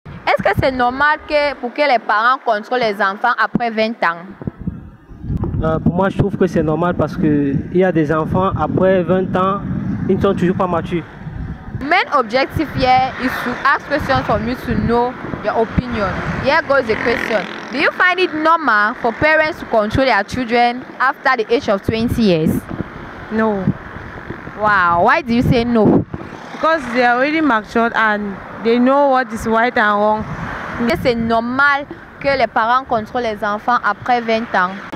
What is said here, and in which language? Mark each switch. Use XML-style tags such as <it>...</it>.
<fr>Est-ce que c'est normal que pour que les parents contrôlent les enfants après 20 ans? Pour moi, je trouve que c'est normal parce qu'il y a des enfants, après 20 ans, ils ne sont toujours pas matures.</fr> <en>Main objectif here is to ask questions for me to know your opinion. Here goes the question. Do you find it normal for parents to control their children after the age of 20 years? No. Wow, why do you say no? Because they are already matured and they know what is right and wrong.</en> <fr>C'est normal que les parents contrôlent les enfants après 20 ans.</fr>